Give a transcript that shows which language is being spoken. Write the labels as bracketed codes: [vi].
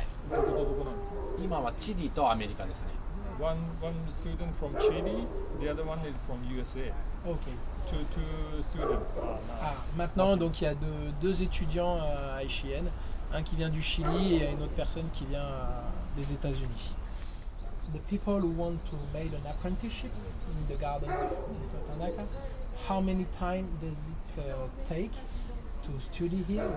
[ja] そうですね。今はチリとアメリカですね。 [en] One student from Chile, the other one is from USA. Okay. Two students. [fr] Maintenant, donc il y a deux étudiants à HIN, un qui vient du Chili et une autre personne qui vient des États-Unis. [en] The people who want to make an apprenticeship in the garden of Mr. Tanaka. How many time does it take to study here?